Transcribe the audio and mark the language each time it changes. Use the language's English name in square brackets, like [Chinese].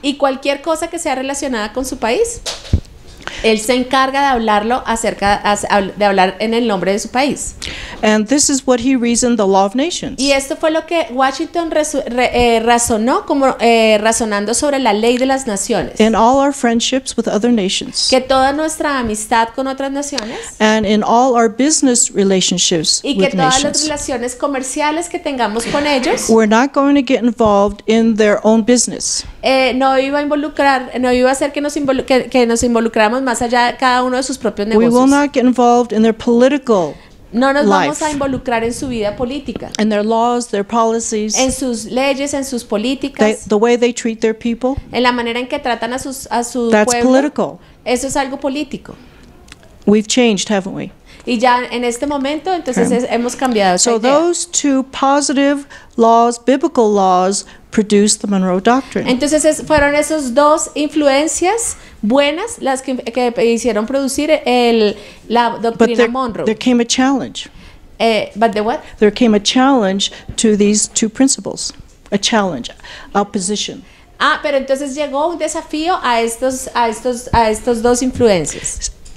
[Spanish] Y cualquier cosa que sea relacionada con su país. Él se encarga de hablarlo acerca de hablar en el nombre de su país. [English] And this is what he reasoned the law of nations. [Spanish] Y esto fue lo que Washington razonó como razonando sobre la ley de las naciones. [English] In all our friendships with other nations. [Spanish] Que toda nuestra amistad con otras naciones. [English] And in all our business relationships [Spanish] y que [English] with [Spanish] todas [English] nations. [Spanish] Las relaciones comerciales que tengamos con ellos. [English] We're not going to get involved in their own business. [Spanish] No iba a ser que nos involucráramos más allá de cada uno de sus propios negocios. [English] We will not get involved in their political [Spanish] No nos vamos a involucrar en su vida política. [English] In their laws, their policies. [Spanish] En sus leyes, en sus políticas. [English] The way they treat their people. [Spanish] En la manera en que tratan a sus pueblo. [English] That's political. [Spanish] Eso es algo político. [English] We've changed, haven't we? [Spanish] Y ya en este momento, entonces okay. Hemos cambiado esa [English] so [Spanish] idea. [English] Those two positive laws, biblical laws, produced the Monroe Doctrine. [Spanish] Entonces fueron esas dos influencias buenas las que hicieron producir la doctrina Monroe. [English] There came a challenge. But the what? There came a challenge to these two principles. A challenge, opposition. [Spanish] Ah, pero entonces llegó un desafío a estos dos influencias.